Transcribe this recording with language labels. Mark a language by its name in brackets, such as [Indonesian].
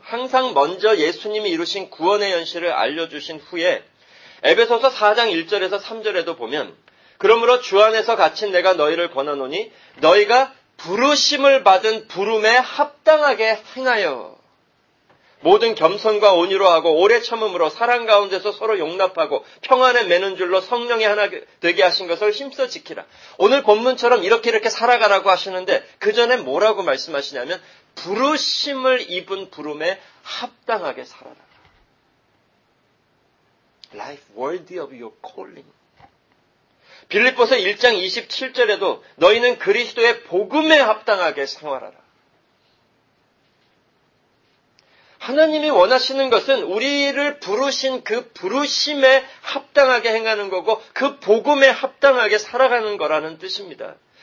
[Korean] 항상 먼저 예수님이 이루신 구원의 현실을 알려주신 후에 에베소서 4장 1절에서 3절에도 보면 그러므로 주 안에서 갇힌 내가 너희를 권하노니 너희가 부르심을 받은 부름에 합당하게 행하여 모든 겸손과 온유로 하고 오래 참음으로 사랑 가운데서 서로 용납하고 평안에 매는 줄로 성령이 하나 되게 하신 것을 힘써 지키라. 오늘 본문처럼 이렇게 이렇게 살아가라고 하시는데 그 전에 뭐라고 말씀하시냐면 부르심을 입은 부름에 합당하게 살아라. [English] Life worthy of your calling. [Korean] 빌립보서 1장 27절에도 너희는 그리스도의 복음에 합당하게 생활하라. 하나님이 원하시는 것은 우리를 부르신 그 부르심에 합당하게 행하는 거고 그 복음에 합당하게 살아가는 거라는 뜻입니다.